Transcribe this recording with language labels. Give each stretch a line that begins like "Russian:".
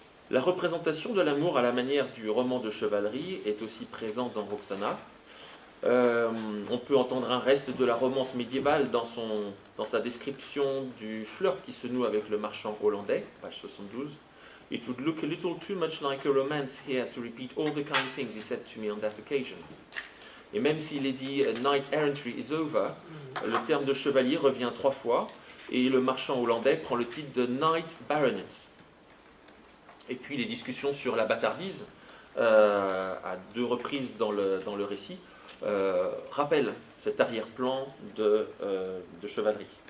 French: La représentation de l'amour à la manière du roman de chevalerie est aussi présente dans Roxana. On peut entendre un reste de la romance médiévale dans sa description du flirt qui se noue avec le marchand hollandais, page 72.
English: It would look a little too much like a romance here to repeat all the kind things he said to me on that occasion.
French: Et même s'il est dit
English: a knight errantry is over,
French: le terme de chevalier revient 3 fois et le marchand hollandais prend le titre de knight baronet. Et puis les discussions sur la bâtardise, à 2 reprises dans le récit, rappellent cet arrière-plan de chevalerie.